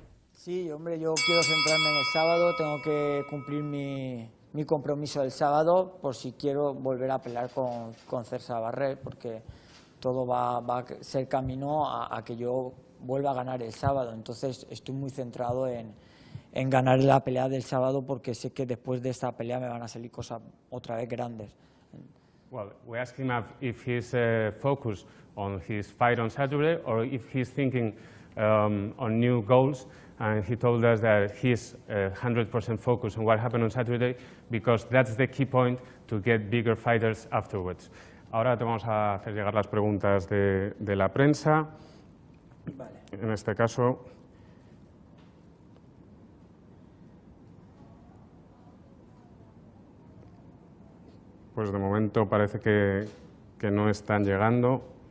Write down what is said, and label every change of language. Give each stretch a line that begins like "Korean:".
Spanish: Sí, hombre, yo quiero centrarme en el sábado, tengo que cumplir mi compromiso del sábado por si quiero volver a pelear con Zelfa Barret porque todo va a ser camino a que yo vuelva a ganar el sábado. Entonces estoy muy centrado en ganar la pelea del sábado porque sé que después de esta pelea me van a salir cosas otra vez grandes.
English: Well, we asked him if he's focused on his fight on Saturday or if he's thinking on new goals, and he told us that he's 100% focused on what happened on Saturday because that's the key point to get bigger fighters afterwards.
Spanish: Ahora te vamos a hacer llegar las preguntas de la prensa. Vale. En este caso. Pues de momento parece que no están llegando.